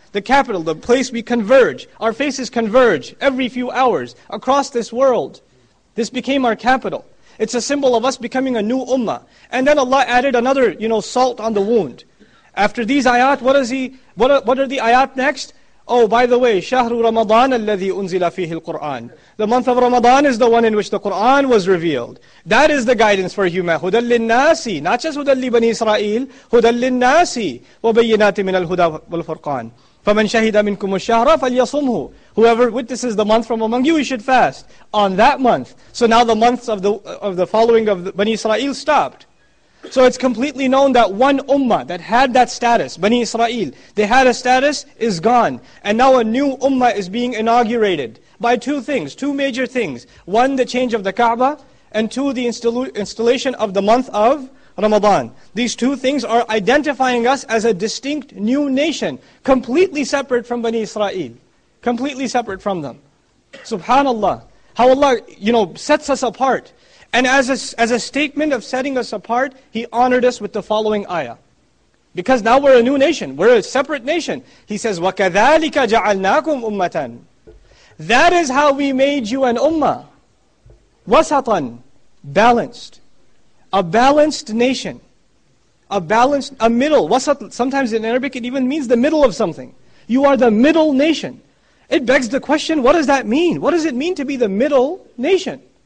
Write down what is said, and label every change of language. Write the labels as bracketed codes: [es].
[en] The capital, the place we converge, our faces converge every few hours across this world. This became our capital. It's a symbol of us becoming a new Ummah. And then Allah added another, you know, salt on the wound. After these ayat, what are the ayat next? Oh, by the way, [ar] شَهْرُ رَمَضَانَ الَّذِي أُنزِلَ فِيهِ الْقُرْآنِ. [en] The month of Ramadan is the one in which the Quran was revealed. That is the guidance for human. [ar] هُدَلْ لِلنَّاسِ. [en] Not just [ar] هُدَلْ لِبَنِي إِسْرَائِيلِ. هُدَلْ لِلنَّاسِ. وَبَيِّنَاتِ مِنَ الْهُدَى وَالْفُرْقَانِ. فَمَنْ شَهِدَ مِنْكُمُ الشَّهْرَ فَلْيَصُمْهُ. [en] Whoever witnesses the month from among you, he should fast on that month. So now the months of the following of the Bani Israel stopped. So it's completely known that one ummah that had that status, Bani Israel, they had a status, is gone. And now a new ummah is being inaugurated by two things, two major things. One, the change of the Kaaba, and two, the installation of the month of Ramadan. These two things are identifying us as a distinct new nation, completely separate from Bani Israel, completely separate from them. Subhanallah, how Allah, you know, sets us apart. And as a statement of setting us apart, He honored us with the following ayah. Because now we're a new nation, we're a separate nation. He says, [ar] وَكَذَٰلِكَ جَعَلْنَاكُمْ أُمَّةً. [en] That is how we made you an ummah. وَسَطًا. Balanced. A balanced nation. A middle. Wasat, sometimes in Arabic it even means the middle of something. You are the middle nation. It begs the question, what does that mean? What does it mean to be the middle nation?